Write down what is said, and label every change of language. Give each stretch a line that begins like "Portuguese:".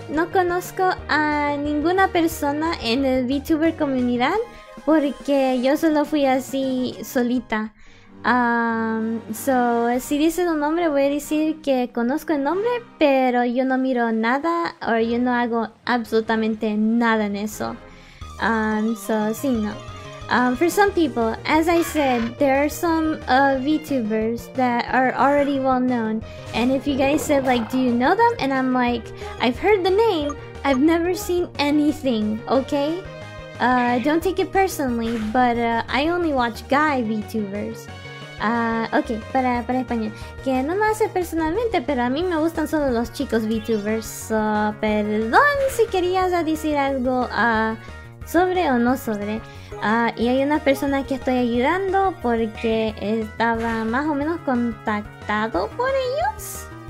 Spanish: No conozco a ninguna persona en el VTuber comunidad porque yo solo fui así solita. So, si dices un nombre, voy a decir que conozco el nombre, pero yo no miro nada o yo no hago absolutamente nada en eso. So, sí, no.
English: For some people, as I said, there are some VTubers that are already well known. And if you guys said, like, do you know them? And I'm like, I've heard the name, I've never seen anything, okay? Don't take it personally, but I only watch guy VTubers.
Spanish: Ok, para español. Que no lo hace personalmente, pero a mí me gustan solo los chicos VTubers. So, perdón si querías decir algo sobre o no sobre. Y hay una persona que estoy ayudando porque estaba más o menos contactado por ellos.